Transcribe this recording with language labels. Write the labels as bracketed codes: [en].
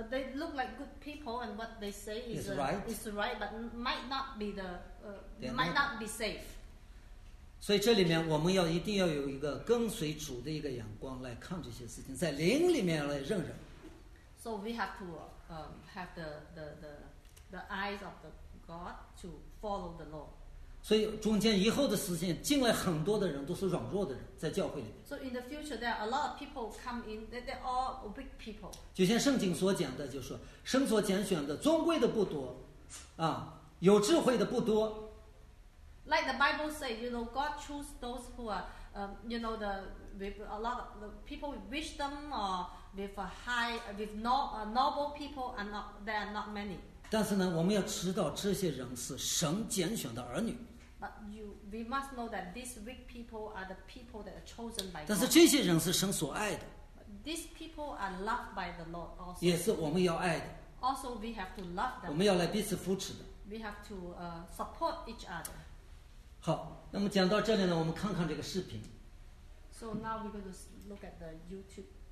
[en] They look like good people, and what they say is right. Is right, but might not be the might not be safe. [zh] 所以这里面我们要一定要有一个跟随主的一个眼光来看这些事情，在灵里面来认认。 [en] So we have to have the eyes of the God to follow the law. [zh] 所以中间以后的时间进来很多的人都是软弱的人，在教会里面。 [en] So in the future, there are a lot of people come in. They are weak people. [zh] 就像圣经所讲的，就是说神所拣选的尊贵的不多，啊，有智慧的不多。 [en] Like the Bible says, you know, God chooses those who are, you know, the with a lot of the people with wisdom or. With noble people, and there are not many. [zh] 但是呢，我们要知道这些人是神拣选的儿女。 [en] But we must know that these weak people are the people that are chosen by God. [zh] 但是这些人是神所爱的。 [en] These people are loved by the Lord also. [zh] 也是我们要爱的。 [en] Also, we have to love them. [zh] 我们要来彼此扶持的。 [en] We have to support each other. [zh] 好，那么讲到这里呢，我们看看这个视频。 [en] So now we're going to look at the YouTube.